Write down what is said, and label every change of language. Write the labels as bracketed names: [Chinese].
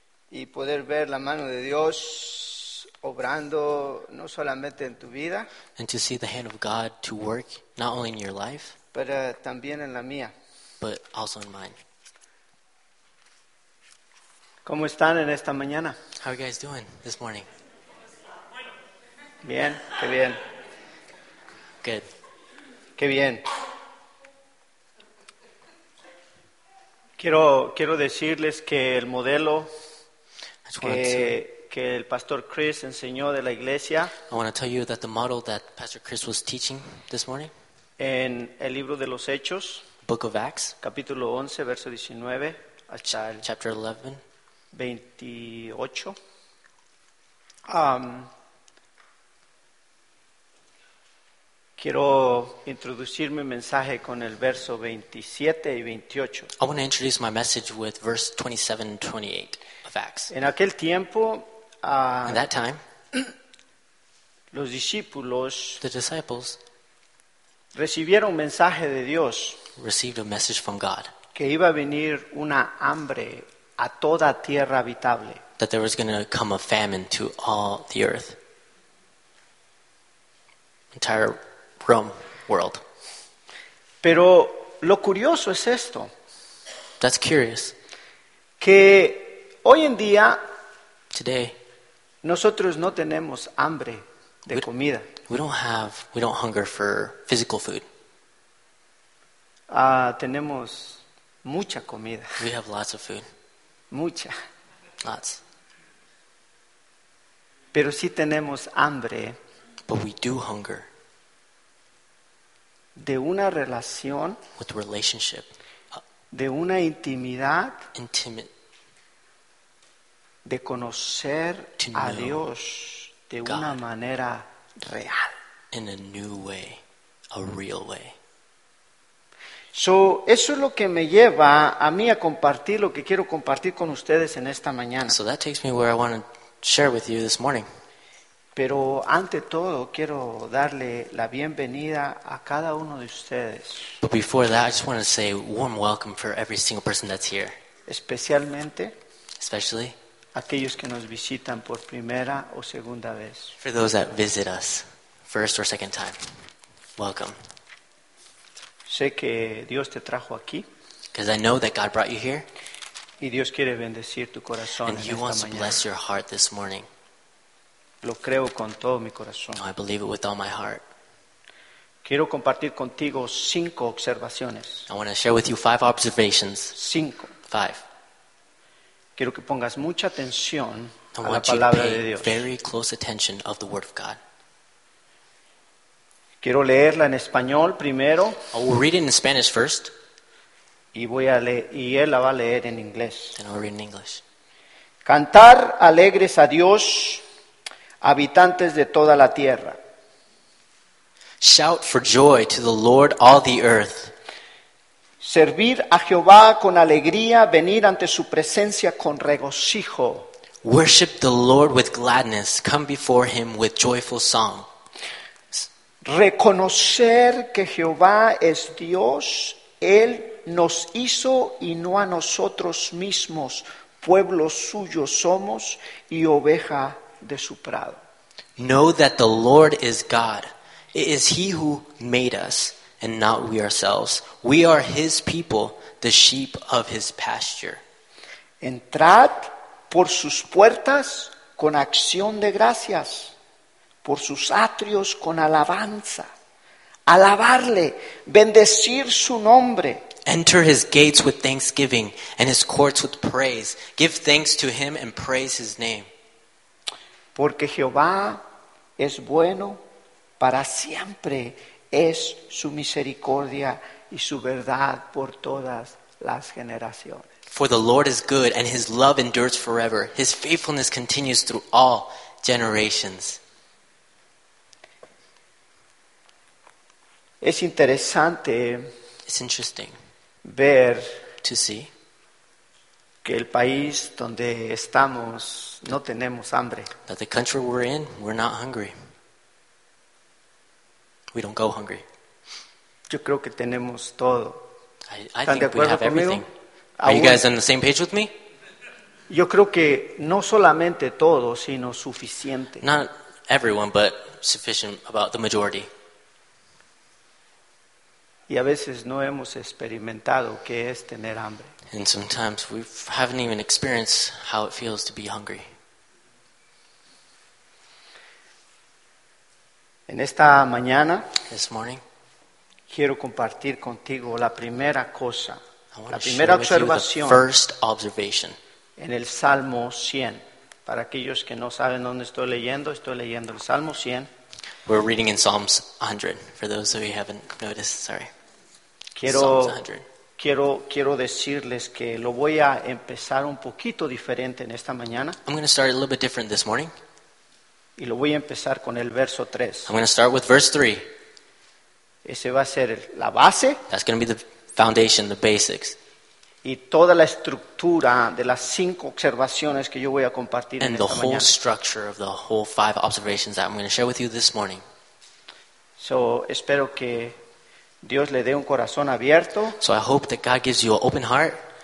[Spanish] Y poder ver la mano de Dios obrando no solamente en tu vida. [English] And to see the hand of God to work not only in your life, [Spanish] pero también en la mía. [English] But also in mine. [Spanish] ¿Cómo están en esta mañana? [English] How are you guys doing this morning? [Spanish] Bien, qué bien. [English] Good. [Spanish] Qué bien. Quiero decirles que el modelo que el Pastor Chris enseñó de la iglesia. [English] I want to tell you that the model that Pastor Chris was teaching this morning. [Spanish] En el libro de los Hechos. [English] Book of Acts. [Spanish] Capítulo 11, verso 19. Hasta el [English] chapter 11. [Spanish] 28. Quiero introducir mi mensaje con el verso 27 y 28. [English] I want to introduce my message with verse 27 and 28 of Acts. [Spanish] En aquel tiempo, [English] in that time, [Spanish] los discípulos, [English] the disciples, [Spanish] recibieron mensaje de Dios, [English] received a message from God, [Spanish] que iba a venir una hambre a toda tierra habitable. [English] That there was going to come a famine to all the earth. entire Rome world. [Spanish] Pero lo curioso es esto. [English] That's curious. [Spanish] Que hoy en día, [English] today, [Spanish] nosotros no tenemos hambre de comida. [English] We don't hunger for physical food. [Spanish] Tenemos mucha comida. [English] We have lots of food. [Spanish] Mucha. [English] Lots. [Spanish] Pero sí tenemos hambre. [English] But we do hunger. [Spanish] De una relación. [English] With the relationship. [Spanish] De una intimidad. [English] Intimate. [Spanish] De conocer a Dios de [English] God [Spanish] una manera real. [English] In a new way. A real way. [Spanish] So, eso es lo que me lleva a mí a compartir lo que quiero compartir con ustedes en esta mañana. [English] So that takes me where I want to share with you this morning. [Spanish] Pero ante todo quiero darle la bienvenida a cada uno de ustedes. [English] But before that, I just want to say warm welcome for every single person that's here. [Spanish] Especialmente. [English] Especially. [Spanish] Aquellos que nos visitan por primera o segunda vez. [English] For those that visit us, first or second time, welcome. [Spanish] Sé que Dios te trajo aquí. [English] Because I know that God brought you here. [Spanish] Y Dios quiere bendecir tu corazón en esta mañana. [English] And He wants to bless your heart this morning. [Spanish] Lo creo con todo mi corazón. [English] I believe it with all my heart. [Spanish] Quiero compartir contigo cinco observaciones. [English] I want to share with you five observations. [Spanish] Cinco. [English] Five. [Spanish] Quiero que pongas mucha atención a la palabra de Dios. [English] Very close attention of the word of God. [Spanish] Quiero leerla en español primero. [English] I will read it in Spanish first. [Spanish] Y voy a leer, y él la va a leer en inglés. [English] Then I'll read in English. [Spanish] Cantar alegres a Dios, habitantes de toda la tierra. [English] Shout for joy to the Lord, all the earth. [Spanish] Servir a Jehová con alegría, venir ante su presencia con regocijo. [English] Worship the Lord with gladness, come before Him with joyful song. [Spanish] Reconocer que Jehová es Dios, Él nos hizo y no a nosotros mismos, pueblo suyo somos y oveja de su prado. [English] Know that the Lord is God. It is He who made us, and not we ourselves. We are His people, the sheep of His pasture. [Spanish] Entrad por sus puertas con acción de gracias, por sus atrios con alabanza. Alabarle, bendecir su nombre. [English] Enter His gates with thanksgiving and His courts with praise. Give thanks to Him and praise His name. [Spanish] Porque Jehová es bueno para siempre. Es su misericordia y su verdad por todas las generaciones. [English] For the Lord is good and His love endures forever. His faithfulness continues through all generations. [Spanish] Es interesante. [English] It's interesting. [Spanish] Ver. [English] To see. [Spanish] Que el país donde estamos no tenemos hambre. [English] That the country we're in, we're not hungry. We don't go hungry. [Spanish] Yo creo que tenemos todo. [English] I think we have everything. [Spanish] Conmigo? [English] Are you guys on the same page with me? [Spanish] Yo creo que no solamente todo, sino suficiente. [English] Not everyone, but sufficient about the majority. [Spanish] Y a veces no hemos experimentado qué es tener hambre. [English] And sometimes we haven't even experienced how it feels to be hungry. [Spanish] En esta mañana, [English] this morning, [Spanish] quiero compartir contigo la primera cosa, la primera observación, [English] first observation, [Spanish] en el Salmo 100. Para aquellos que no saben dónde estoy leyendo el Salmo 100. [English] We're reading in Psalms 100. For those of you who haven't noticed, sorry. [Spanish] Quiero decirles que lo voy a empezar un poquito diferente en esta mañana. [English] I'm going to start a little bit different this morning. [Spanish] Y lo voy a empezar con el verso 3. [English] I'm going to start with verse 3. [Spanish] Ese va a ser la base. [English] That's going to be the foundation, the basics. [Spanish] Y toda la estructura de las cinco observaciones que yo voy a compartir en esta mañana. [English] And the whole structure of the whole five observations that I'm going to share with you this morning. [Spanish] So, espero que Dios le dé un corazón abierto. [English] So I hope that God gives you an open heart.